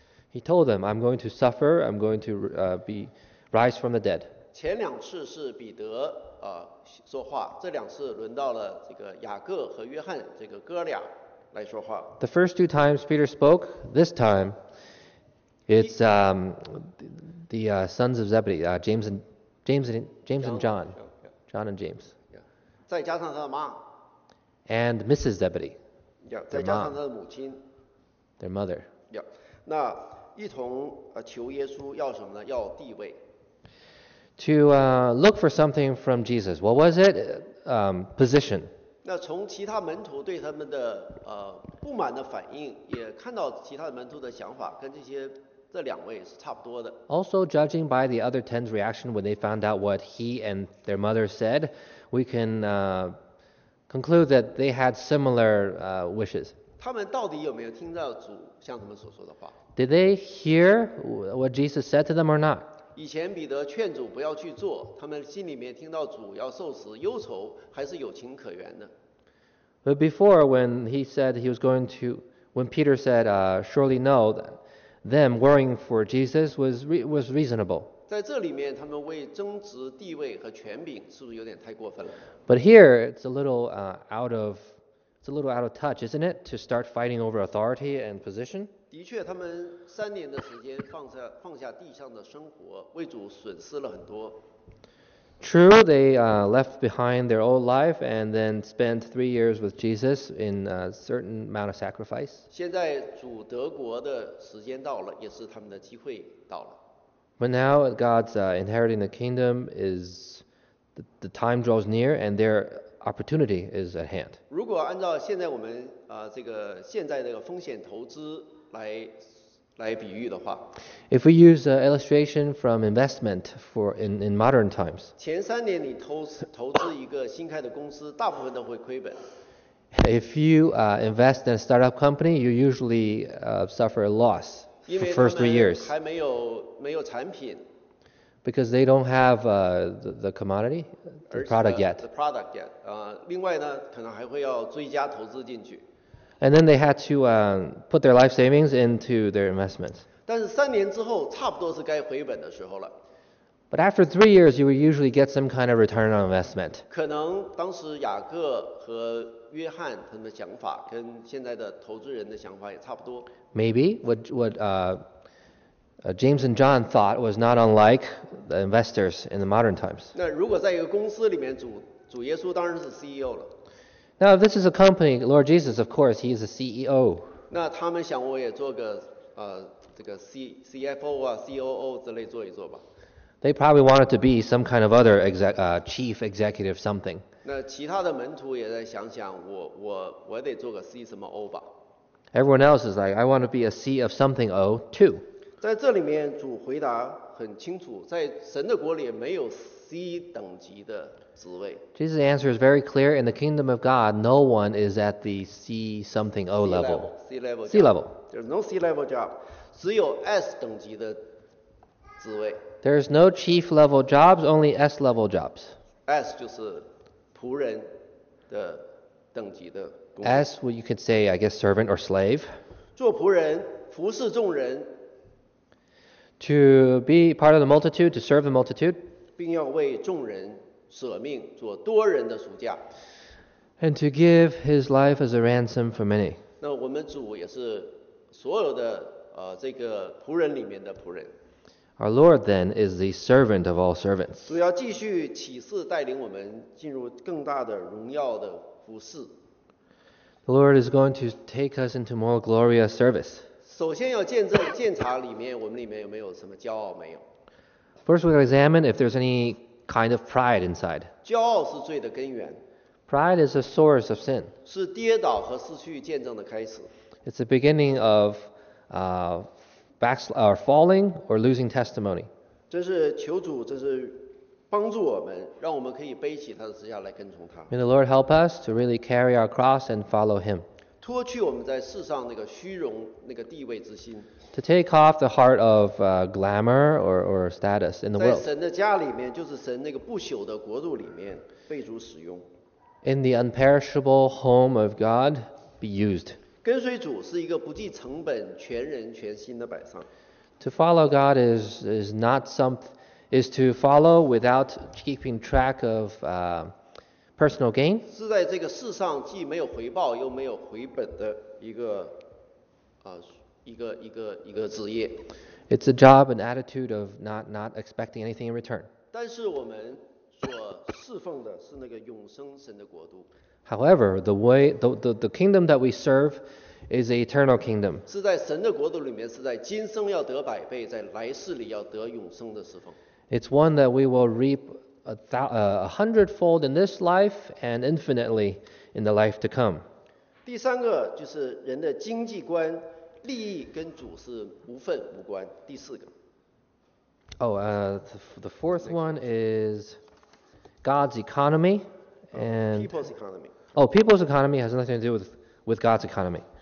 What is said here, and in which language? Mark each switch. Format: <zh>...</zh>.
<en>He told them, "I'm going to suffer. I'm going to rise from the dead."</en> <zh>前两次是彼得说话，这两次轮到了这个雅各和约翰这个哥俩来说话。</zh> <en>The first two times Peter spoke, this time, it's the sons of Zebedee, James and John. John and James.</en> <zh>Yeah. 再加上他的妈。</zh> <en>And Mrs. Zebedee.</en> <zh>Yeah, 再加上他的母亲。</zh> <en>Their mother. Yeah.</en> <zh>那一同求耶稣要什么呢？要地位。</zh> <en>To look for something from Jesus. What was it? Position.</en> <zh>那从其他门徒对他们的不满的反应，也看到其他门徒的想法跟这两位是差不多的。</zh> <en>Also, judging by the other ten's reaction when they found out what he and their mother said, we can conclude that they had similar wishes.</en> <zh>他们到底有没有听到主向他们所说的话？</zh> <en>Did they hear what Jesus said to them or not?</en> <zh>以前彼得劝主不要去做，他们心里面听到主要受死，忧愁还是有情可原的。</zh> <en>But before, when he said he was going to, when Peter said, "Surely no," them worrying for Jesus was reasonable.</en> <zh>在这里面，他们为争执地位和权柄，是不是有点太过分了？</zh> <en>But here, it's a little out of touch, isn't it, to start fighting over authority and position?</en> <zh>的确，他们三年的时间放下地上的生活，为主损失了很多。</zh> <en>True, they left behind their old life and then spent 3 years with Jesus in a certain amount of sacrifice.</en> <zh>现在主得国的时间到了，也是他们的机会到了。</zh> <en>But now God's inheriting the kingdom is the time draws near and their opportunity is at hand.</en> <zh>如果按照现在我们这个现在的风险投资来比喻的话，</zh> <en>If we use an illustration from investment for in modern times,</en> <zh>前三年你投资一个新开的公司，大部分都会亏本。</zh> <en>If you invest in a startup company, you usually suffer a loss for the first 3 years.</en> <zh>因为他们还没有产品。</zh> <en>Because they don't have the commodity, the product yet. The product yet.</en> <zh>另外呢，可能还会要追加投资进去。</zh> <en>And then they had to put their life savings into their investments.</en> <zh>但是三年之后，差不多是该回本的时候了。</zh> <en>But after 3 years, you will usually get some kind of return on investment.</en> <zh>可能当时雅各和约翰他们的想法跟现在的投资人的想法也差不多。</zh> <en>Maybe what James and John thought was not unlike the investors in the modern times.</en> <zh>那如果在一个公司里面，主耶稣当然是 CEO 了。</zh> <en>Now, if this is a company, Lord Jesus, of course, he is a CEO.</en> <zh>那他们想我也做个这个 CFO 啊 COO 之类做一做吧。</zh> <en>They probably wanted to be some kind of other chief executive something.</en> <zh>那其他的门徒也在想想我得做个 C 什么 O 吧。</zh> <en>Everyone else is like, I want to be a C of something O too.</en> <zh>在这里面主回答很清楚，在神的国里没有 C 等级的。</zh> <en>Jesus' answer is very clear. In the kingdom of God, no one is at the C something O level. C level. There's no C level job.</en> <zh>只有 S 等级的职位。</zh> <en>There's no chief level jobs, only S level jobs.</en> <zh>S 就是仆人的等级的工。</zh> <en>S, well, you could say, I guess, servant or slave.</en> <zh>做仆人，服侍众人。</zh> <en>To be part of the multitude, to serve the multitude.</en> <zh>并要为众人。舍命做多人的赎价。</zh> <en>And to give his life as a ransom for many.</en> <zh>那我们主也是所有的这个仆人里面的仆人。</zh> <en>Our Lord then is the servant of all servants.</en> <zh>主要继续启示带领我们进入更大的荣耀的服事。</zh> <en>The Lord is going to take us into more glorious service.</en> <zh>首先要见证检查里面我们里面有没有什么骄傲没有。</zh> <en>First we'll examine if there's any kind of pride inside.</en> <zh>骄傲是罪的根源。</zh> <en>Pride is a source of sin.</en> <zh>是跌倒和失去见证的开始。</zh> <en>It's the beginning of falling or losing testimony.</en> <zh>真是求主，真是帮助我们，让我们可以背起他的十字架来跟从他。</zh> <en>May the Lord help us to really carry our cross and follow Him.</en> <zh>脱去我们在世上那个虚荣、那个地位之心。</zh> <en>To take off the heart of glamour or status in the world.</en> <zh>在神的家里面，就是神那个不朽的国度里面，被主使用。</zh> <en>In the unperishable home of God, be used.</en> <zh>跟随主是一个不计成本、全人全心的摆上。</zh> <en>To follow God is not something, is to follow without keeping track of personal gain.</en> <zh>是在这个世上既没有回报又没有回本的一个啊、一个职业。</zh> <en>It's a job, an attitude of not expecting anything in return.</en> <zh>但是我们所侍奉的是那个永生神的国度。</zh> <en>However, the kingdom that we serve is an eternal kingdom.</en> <zh>是在神的国度里面，是在今生要得百倍，在来世里要得永生的侍奉。</zh> <en>It's one that we will reap a hundredfold in this life and infinitely in the life to come.</en> <zh>第三个就是人的经济观，利益跟主是无份无关。第四个。</zh> <en>The fourth one is God's economy. And people's economy. Oh, people's economy has nothing to do with God's economy.</en>